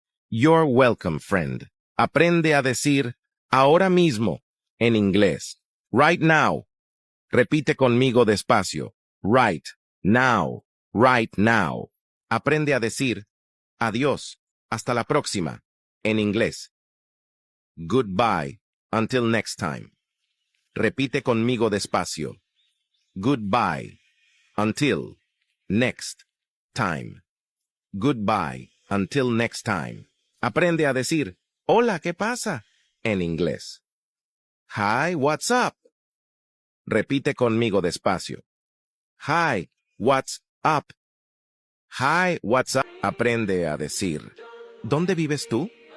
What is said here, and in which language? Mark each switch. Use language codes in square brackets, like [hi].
[en] You're welcome, friend. [es] Aprende a decir, ahora mismo, en inglés. [en] Right now. [es] Repite conmigo despacio. [en] Right now. Right now. [es] Aprende a decir, adiós, hasta la próxima, en inglés. [en] Goodbye, until next time. [es] Repite conmigo despacio. [en] Goodbye, until next time. Goodbye, until next time. [es] Aprende a decir, hola, ¿qué pasa? En inglés. [en] Hi, what's up? [es] Repite conmigo despacio. [en] Hi, what's up? Hi, what's up? [es] Aprende a decir, ¿dónde vives tú?